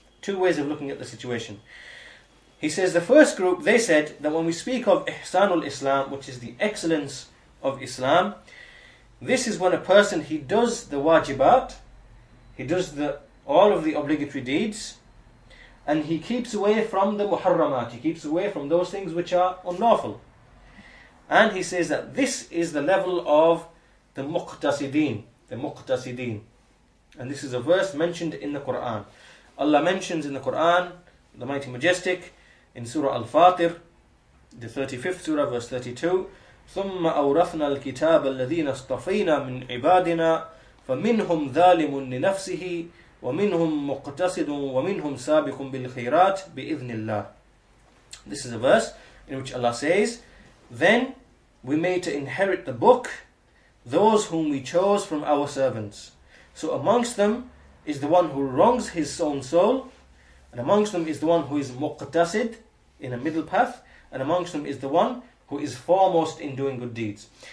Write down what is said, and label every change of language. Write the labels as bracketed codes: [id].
[en] Two ways of looking at the situation. He says the first group, they said that when we speak of Ihsanul Islam, which is the excellence of Islam, this is when a person, he does the wajibat, he does all of the obligatory deeds, and he keeps away from the muharramat, he keeps away from those things which are unlawful. And he says that this is the level of the muqtasideen, the muqtasideen. And this is a verse mentioned in the Quran. Allah mentions in the Quran, the Mighty Majestic, in Surah Al-Fatir, the 35th Surah, verse 32, [ar] ثُمَّ أَوْرَثْنَا الْكِتَابَ الَّذِينَ اصْطَفَيْنَا مِنْ عِبَادِنَا فَمِنْهُمْ ظَالِمٌ لِنَفْسِهِ وَمِنْهُمْ مُقْتَصِدٌ وَمِنْهُمْ سَابِقٌ بِالْخِيرَاتِ بِإِذْنِ اللَّهِ. [en] This is a verse in which Allah says, then we made to inherit the book those whom we chose from our servants. So amongst them is the one who wrongs his own soul, and amongst them is the one who is muqtasid in a middle path, and amongst them is the one who is foremost in doing good deeds.